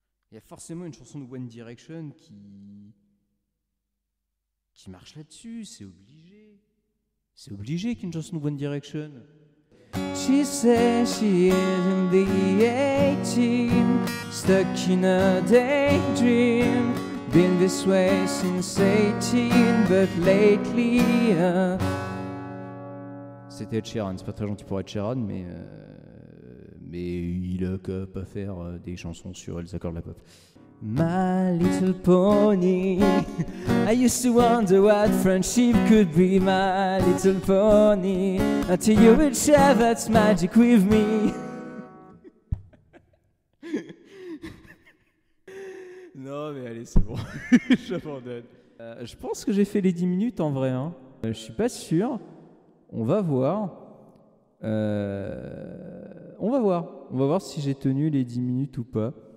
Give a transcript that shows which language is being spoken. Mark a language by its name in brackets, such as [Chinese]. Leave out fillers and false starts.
[French] Il y a forcément une chanson de One Direction qui marche là-dessus, c'est obligé. C'est obligé qu'une chanson de One Direction. [English] She says she is in the 18, stuck in a daydream. Been this way since 18, but lately. [French] C'était Ed Sheeran, c'est pas très gentil pour Ed Sheeran, mais. Mais il a qu'à pas faire des chansons sur les accords de la pop. [English] My little pony, I used to wonder what friendship could be. My little pony, until you would share that magic with me. [French] Non mais allez, c'est bon, j'abandonne. Je pense que j'ai fait les 10 minutes en vrai, hein. Je suis pas sûr, on va voir. On va voir si j'ai tenu les 10 minutes ou pas.